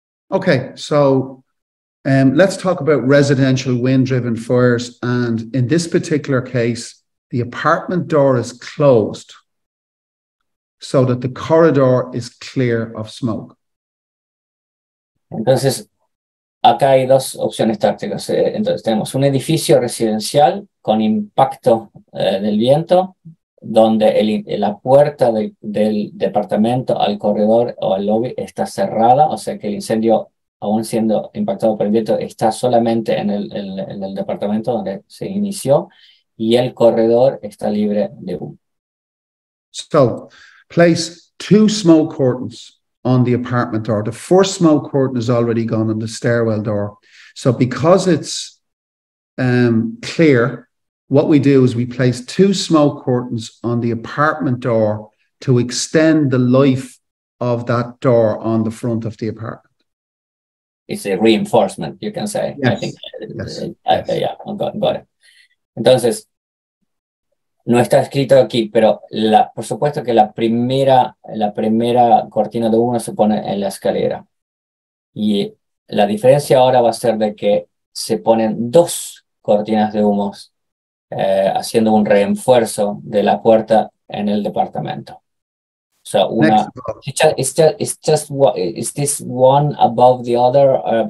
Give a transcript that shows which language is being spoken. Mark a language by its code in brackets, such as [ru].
[en] Okay, so let's talk about residential wind-driven fires, and in this particular case, the apartment door is closed, so that the corridor is clear of smoke. [es] Entonces, Acá hay dos opciones tácticas. Entonces, tenemos un edificio residencial con impacto del viento, donde la puerta del departamento al corredor o al lobby está cerrada, o sea que el incendio, aún siendo impactado por el viento, está solamente en el departamento donde se inició, y el corredor está libre de humo. [en] So, place two smoke curtains on the apartment door. The first smoke curtain has already gone on the stairwell door. So because it's clear, what we do is we place two smoke curtains on the apartment door to extend the life of that door on the front of the apartment. It's a reinforcement, you can say. Yes. I think. Yes. Got it. [es] Entonces, no está escrito aquí, pero por supuesto que la primera cortina de humo se pone en la escalera. Y la diferencia ahora va a ser de que se ponen dos cortinas de humo haciendo un reenfuerzo de la puerta en el departamento. [en] So una, is this one above the other?